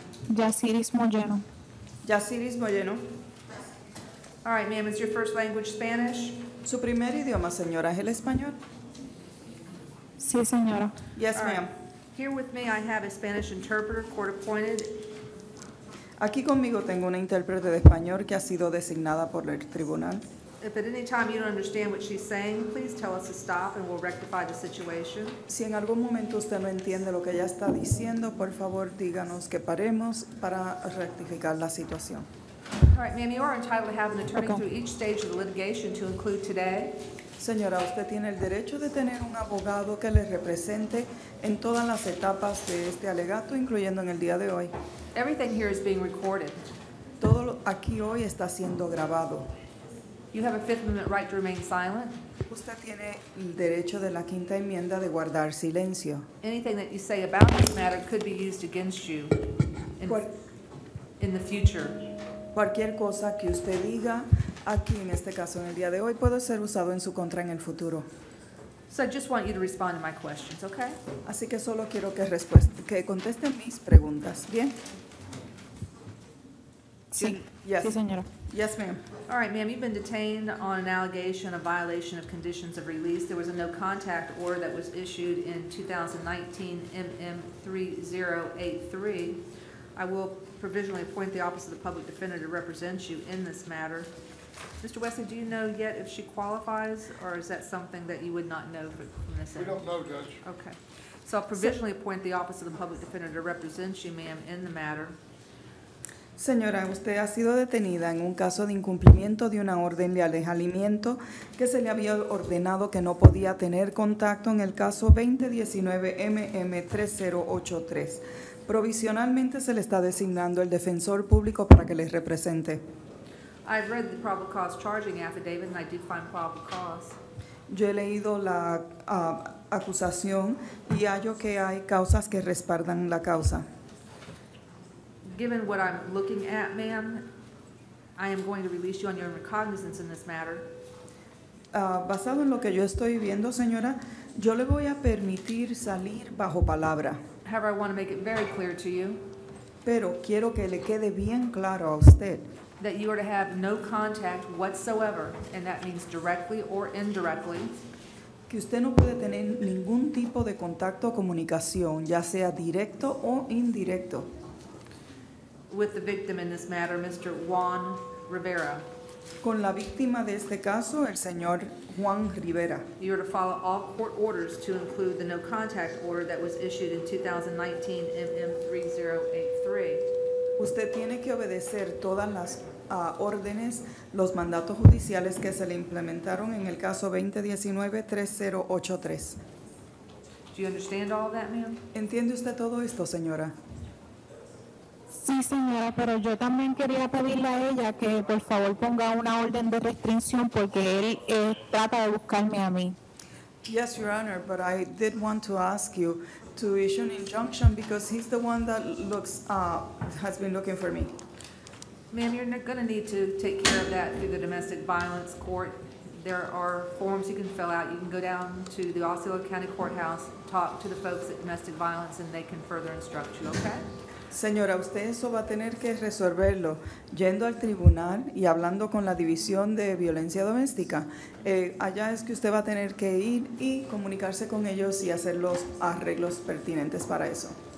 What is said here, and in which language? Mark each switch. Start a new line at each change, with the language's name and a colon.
English: Yaciris Moyeno. Yaciris Moyeno. All right, ma'am, is your first language Spanish?
Spanish: Su primer idioma, señora, ¿es el español? Sí, señora.
English: Yes, all ma'am. Here with me, I have a Spanish interpreter, court appointed.
Spanish: Aquí conmigo tengo una intérprete de español que ha sido designada por el tribunal.
English: If at any time you don't understand what she's saying, please tell us to stop and we'll rectify the situation.
Spanish: Si en algún momento usted no entiende lo que ella está diciendo, por favor, díganos que paremos para rectificar la situación.
English: All right, ma'am, you are entitled to have an attorney through each stage of the litigation to include today.
Spanish: Señora, usted tiene el derecho de tener un abogado que le represente en todas las etapas de este alegato, incluyendo en el día de hoy.
English: Everything here is being recorded.
Spanish: Todo aquí hoy está siendo grabado.
English: You have a Fifth Amendment right to remain silent.
Spanish: Usted tiene el derecho de la quinta enmienda de guardar silencio.
English: Anything that you say about this matter could be used against you in the future.
Spanish: Cualquier cosa que usted diga aquí, en este caso, en el día de hoy, puede ser usado en su contra en el futuro.
English: So I just want you to respond to my questions, okay?
Spanish: Así que solo quiero que contesten mis preguntas, ¿bien? Sí.
English: Yes.
Spanish: Sí, señora.
English: Yes, ma'am. All right, ma'am, you've been detained on an allegation of violation of conditions of release. There was a no-contact order that was issued in 2019-MM-3083. I will provisionally appoint the Office of the Public Defender to represent you in this matter. Mr. Wesley, do you know yet if she qualifies, or is that something that you would not know from this end? We don't know, Judge. Okay. So I'll provisionally appoint the Office of the Public Defender to represent you, ma'am, in the matter.
Spanish: Señora, usted ha sido detenida en un caso de incumplimiento de una orden de alejamiento que se le había ordenado que no podía tener contacto en el caso 2019-MM-3083. Provisionalmente se le está designando el defensor público para que le represente.
English: I've read the probable cause charging affidavit, and I do find probable cause.
Spanish: Yo he leído la acusación y hallo que hay causas que respaldan la causa.
English: Given what I'm looking at, ma'am, I am going to release you on your own recognizance in this matter.
Spanish: Basado en lo que yo estoy viendo, señora, yo le voy a permitir salir bajo palabra.
English: However, I want to make it very clear to you.
Spanish: Pero quiero que le quede bien claro a usted.
English: That you are to have no contact whatsoever, and that means directly or indirectly.
Spanish: Que usted no puede tener ningún tipo de contacto o comunicación, ya sea directo o indirecto.
English: With the victim in this matter, Mr. Juan Rivera.
Spanish: Con la víctima de este caso, el señor Juan Rivera.
English: You are to follow all court orders to include the no contact order that was issued in 2019-MM-3083.
Spanish: Usted tiene que obedecer todas las órdenes, los mandatos judiciales que se le implementaron en el caso 2019-3083.
English: Do you understand all that, ma'am?
Spanish: ¿Entiende usted todo esto, señora? Sí, señora, pero yo también quería pedirle a ella que por favor ponga una orden de restricción porque él trata de buscarme a mí.
English: Yes, Your Honor, but I did want to ask you to issue an injunction because he's the one that has been looking for me. Ma'am, you're going to need to take care of that through the domestic violence court. There are forms you can fill out. You can go down to the Osceola County Courthouse, talk to the folks at domestic violence, and they can further instruct you, okay?
Spanish: Señora, usted eso va a tener que resolverlo yendo al tribunal y hablando con la División de Violencia Doméstica. Allá es que usted va a tener que ir y comunicarse con ellos y hacer los arreglos pertinentes para eso.